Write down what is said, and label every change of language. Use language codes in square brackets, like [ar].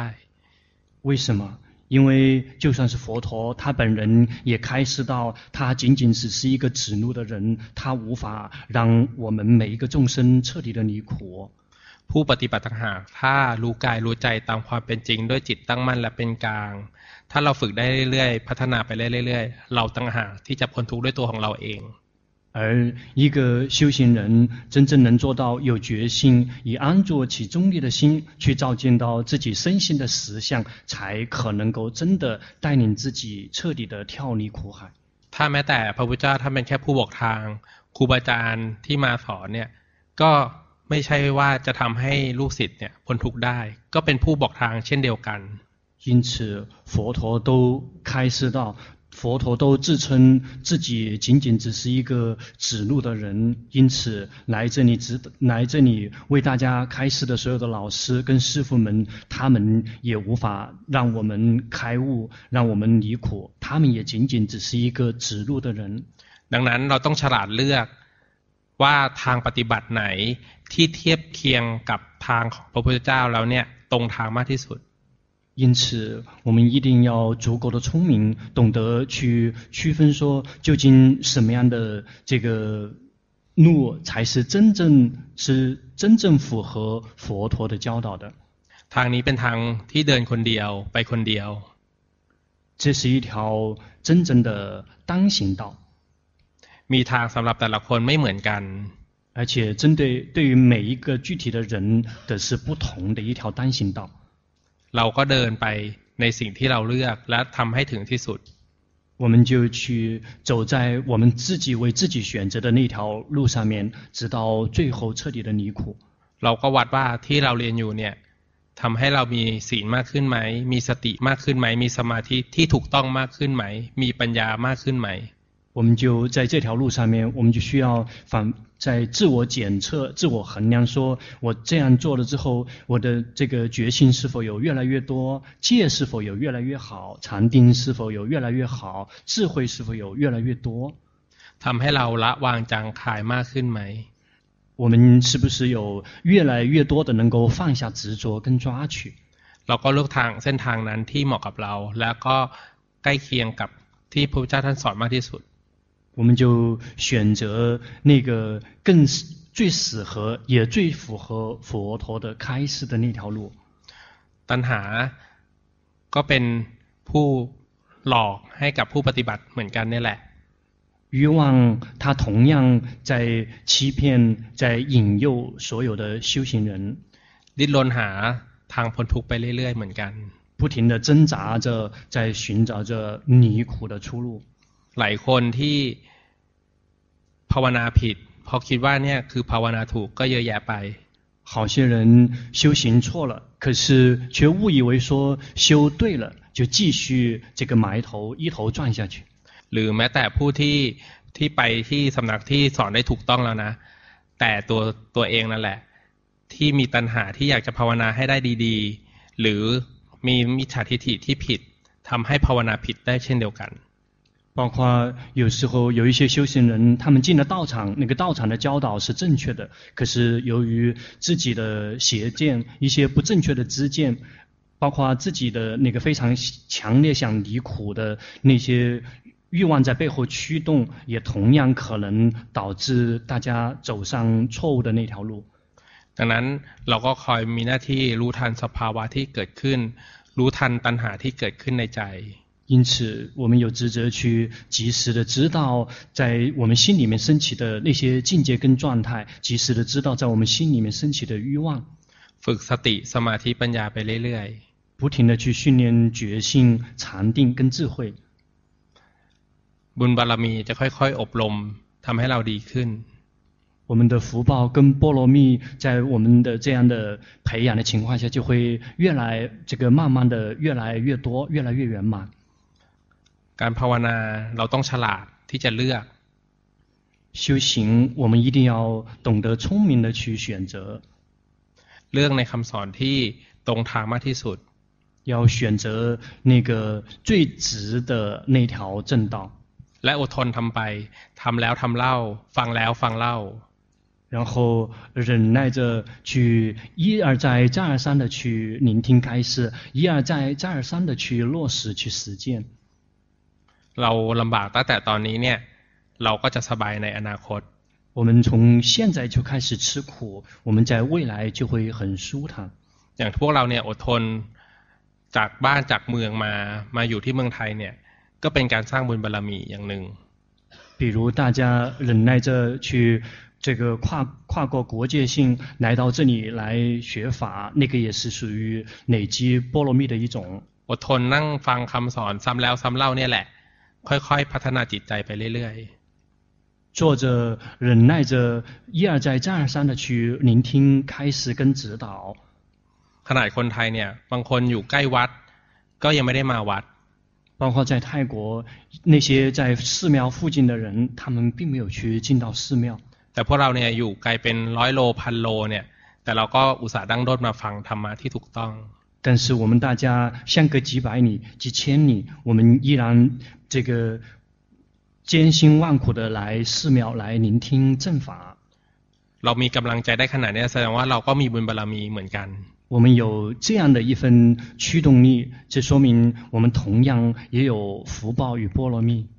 [zh] 为什么因为就算是佛陀他本人也开示到他仅仅只是一个指路的人他无法让我们每一个众生彻底的离苦 [th] ผู้ปฏิบัติธรรมถ้ารู้กายรู้ใจตามความเป็นจริงด้วยจิตตั้งมั่นและเป็นกลางถ้าเราฝึกได้เรื่อยๆพัฒนาไปเรื่อยๆเราต่างหากที่จะพ้นทุกข์ด้วยตัวของเราเอง [zh] 而一个修行人真正能做到有决心以安住起中立的心去照见到自己身心的实相才可能够真的带领自己彻底的跳离苦海 [th] 他แม้แต่พระพุทธเจ้าท่านเป็นแค่ผู้บอกทางครูบาอาจารย์ที่มาสอนเนี่ยก็ไม่ใช่ว่าจะทำให้ลูกศิษย์เนี่ยพ้นทุกข์ได้ก็เป็นผู้บอกทางเช่นเดียวกัน [zh] 因此佛陀都开示到佛陀都自称自己仅仅只是一个指路的人因此来这里为大家开示的所有的老师跟师父们他们也无法让我们开悟让我们离苦他们也仅仅只是一个指路的人 [th] ดังนั้นเราต้องฉลาดเลือกว่าทางปฏิบัติไหนที่เทียบเคียงกับทางของพระพุทธเจ้าแล้วเนี่ยตรงทางมากที่สุด [zh] 因此我们一定要足够的聪明懂得去区分说究竟什么样的这个路才是真正符合佛陀的教导的 [th] ทางนี้เป็นทางที่เดินคนเดียวไปคนเดียว [zh] 这是一条真正的单行道 [th] มีทางสำหรับแต่ละคนไม่เหมือนกัน [zh] 而且针对于每一个具体的人的是不同的一条单行道 [th] เราก็เดินไปในสิ่งที่เราเลือกและทำให้ถึงที่สุด [zh] 我们就去走在我们自己为自己选择的那条路上面直到最后彻底的离苦 [th] เราก็วัดว่าที่เราเรียนอยู่เนี่ยทำให้เรามีศีลมากขึ้นไหมมีสติมากขึ้นไหมมีสมาธิที่ถูกต้องมากขึ้นไหมมีปัญญามากขึ้นไหม [zh] 我们就在这条路上面我们就需要反在自我检测自我衡量说我这样做了之后我的这个决心是否有越来越多戒是否有越来越好禅定是否有越来越好智慧是否有越来越多 [th] ทำให้เราละวางจางคายมากขึ้นไหม [zh] 我们是不是有越来越多的能够放下执着跟抓取 [th] เราก็เลือกทางเส้นทางนั้นที่เหมาะกับเราแล้วก็ใกล้เคียงกับที่พระพุทธเจ้าท่านสอนมากที่สุด [zh] 我们就选择那个更最适合也最符合佛陀的开示的那条路 [th] ตัณหาก็เป็นผู้หลอกให้กับผู้ปฏิบัติเหมือนกันนี่แหละ [zh] 欲望它同样在欺骗在引诱所有的修行人 [th] ดิ้นรนหาทางพ้นทุกข์ไปเรื่อยๆเหมือนกัน [zh] 不停地挣扎着在寻找着离苦的出路 [th] หลายคนที่ภาวนาผิดพอคิดว่าเนี่ยคือภาวนาถูกก็เยอะแยะไป [zh] 好些人修行错了可是却误以为说修对了就继续这个埋头一头转下去 [th] หรือแม้แต่ผู้ที่ไปที่สำนักที่สอนได้ถูกต้องแล้วนะแต่ตัวเองนั่นแหละที่มีตัณหาที่อยากจะภาวนาให้ได้ดีๆหรือมีมิจฉาทิฏฐิที่ผิดทำให้ภาวนาผิดได้เช่นเดียวกัน [zh] 包括有时候有一些修行人他们进了道场那个道场的教导是正确的可是由于自己的邪见一些不正确的知见包括自己的那个非常强烈想离苦的那些欲望在背后驱动也同样可能导致大家走上错误的那条路 [th] ดังนั้นเราก็คอยมีหน้าที่รู้ทันสภาวะที่เกิดขึ้นรู้ทันตัณหาที่เกิดขึ้นในใจ [zh] 因此我们有职责去及时的知道在我们心里面升起的那些境界跟状态及时的知道在我们心里面升起的欲望 [th] ฝึกสติสมาธิปัญญาไปเรื่อย [zh] ๆ不停的去训练觉性禅定跟智慧 [th] บุญบารมีจะค่อยๆอบรมทำให้เราดีขึ้น [zh] 我们的福报跟波罗蜜在我们的这样的培养的情况下就会越来这个慢慢的越来越多越来越圆满 [th] การภาวนาเราต้องฉลาดที่จะเลือก [zh] 修行我们一定要懂得聪明的去选择 [th] เรื่องในคำสอนที่ตรงธรรมะที่สุด [zh] 要选择那个最直的那条正道 [th] และอดทนทำไปทำแล้วทำเล่าฟังแล้วฟังเล่า [zh] 然后忍耐着去一而再再而三的去聆听开示一而再再而三的去落实去实践 [th] เราลำบากตั้งแต่ตอนนี้เนี่ยเราก็จะสบายในอนาคต [zh] 我们从现在就开始吃苦我们在未来就会很舒坦 [th] อย่างพวกเราเนี่ยอดทนจากบ้านจากเมืองมาอยู่ที่เมืองไทยเนี่ยก็เป็นการสร้างบุญบารมีอย่างหนึ่ง [zh] 比如大家忍耐着去这个跨过国界性来到这里来学法那个也是属于累积波罗蜜的一种 [th] อดทนนั่งฟังคำสอนซ้ำแล้วซ้ำเล่าเนี่ยแหละค่อยๆพัฒนาจิตใจไปเรื่อย [zh] ๆ坐着忍耐着一而再再而三的去聆听开示跟指导 [th] ขนาดคนไทยเนี่ยบางคนอยู่ใกล้วัดก็ยังไม่ได้มาวัด [zh] 包括在泰国那些在寺庙附近的人他们并没有去进到寺庙 [th] แต่พวกเราเนี่ยอยู่ไกลเป็นร้อยโลพันโลเนี่ยแต่เราก็อุตส่าห์ดั้งด้นมาฟังธรรมะที่ถูกต้อง [zh] 但是我们大家相隔几百里几千里我们依然这个艰辛万苦的来寺庙来聆听正法 [th] เรามีกำลังใจได้ขนาดนี้แสดงว่าเราก็มีบุญบารมีเหมือนกัน [zh] 我们有这样的一份驱动力这说明我们同样也有福报与波罗蜜